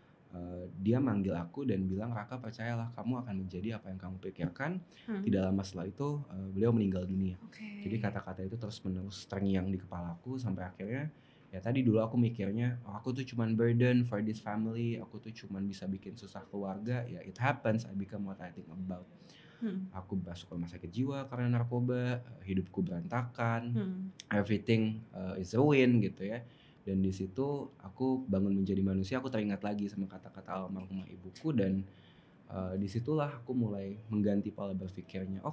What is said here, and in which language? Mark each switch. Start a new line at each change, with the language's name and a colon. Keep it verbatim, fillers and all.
Indonesian: Uh, dia manggil aku dan bilang, Raka percayalah kamu akan menjadi apa yang kamu pikirkan. Hmm. Tidak lama setelah itu uh, beliau meninggal dunia.
English: Okay.
Indonesian: Jadi kata-kata itu terus menerus terngiang di kepala aku sampai akhirnya ya tadi dulu aku mikirnya oh, aku tuh cuman
English: burden for this family,
Indonesian: aku tuh cuman bisa bikin susah keluarga.
English: Ya it happens, I become what I think about. Hmm.
Indonesian: Aku masuk rumah sakit jiwa karena narkoba, hidupku berantakan, hmm.
English: everything uh, is ruined gitu ya.
Indonesian: Dan di situ aku bangun menjadi manusia, aku teringat lagi sama kata-kata almarhumah ibuku dan uh, disitulah aku mulai mengganti pola berpikirnya.